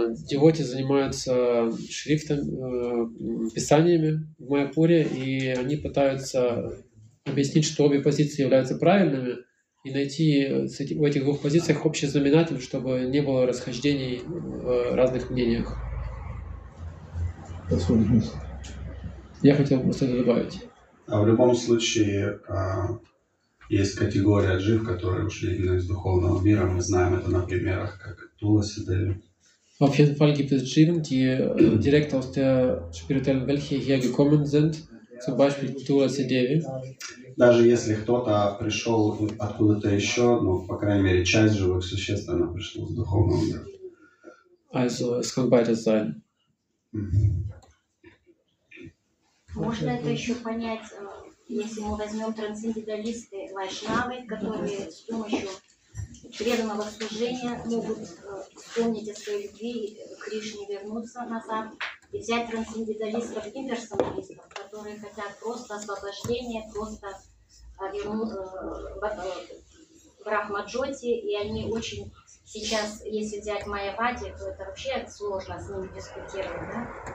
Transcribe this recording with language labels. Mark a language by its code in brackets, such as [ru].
[de] Die Leute [ru] занимаются Schriften, Писаниями в Майяпуре, и они пытаются объяснить, что обе позиции являются правильными, и найти в этих двух позициях общий знаменатель, чтобы не было расхождений в разных мнениях. Я хотел просто это добавить. А в любом случае есть категория джив, которые ушли именно из духовного мира. Мы знаем это на примерах, как Туласи Деви. [de] Auf jeden Fall gibt es Jiven, die direkt aus der spirituellen Welt hierher gekommen sind, zum Beispiel Туласи Деви. [ru] Даже если кто-то пришел откуда-то еще, ну, по крайней мере, часть живых существ, она пришла из духовного мира. [de] Also, es kann beides sein. [ru] Можно это еще понять, если мы возьмем трансцендентальные вайшнавы, которые с помощью преданного служения могут вспомнить о своей любви к Кришне, вернуться назад и взять трансцендентальных имперсоналистов, которые хотят просто освобождения, просто в Рахмаджоте, и они очень сейчас, если взять Майявади, то это вообще сложно с ними дискутировать, да?